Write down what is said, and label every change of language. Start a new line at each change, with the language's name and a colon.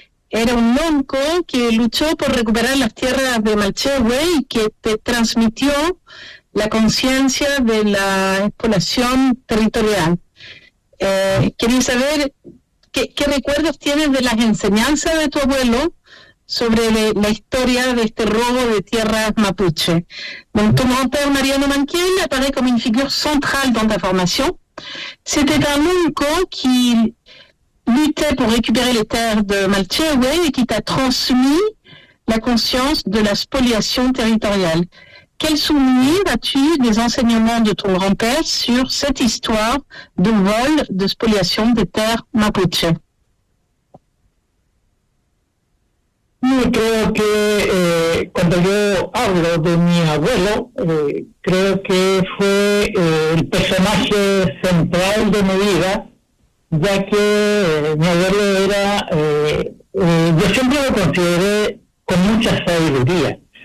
Spanish: Era un lonco que luchó por recuperar las tierras de Malchehue y que te transmitió la conciencia de la exploración territorial. Quería saber qué recuerdos tienes de las enseñanzas de tu abuelo sobre la historia de este robo de tierras mapuche.
French: Donc, ton grand-père Mariano Manquel apparaît comme une figure centrale dans ta formation. C'était un lonco qui luttait pour récupérer les terres de Malchehue et qui t'a transmis la conscience de la spoliation territoriale. Quel souvenir as-tu des enseignements de ton grand-père sur cette histoire de vol, de spoliation des terres mapuche?
Spanish: Y creo que cuando yo hablo de mi abuelo, creo que fue el personaje central de mi vida, ya que mi abuelo era, yo siempre lo consideré con mucha sabiduría.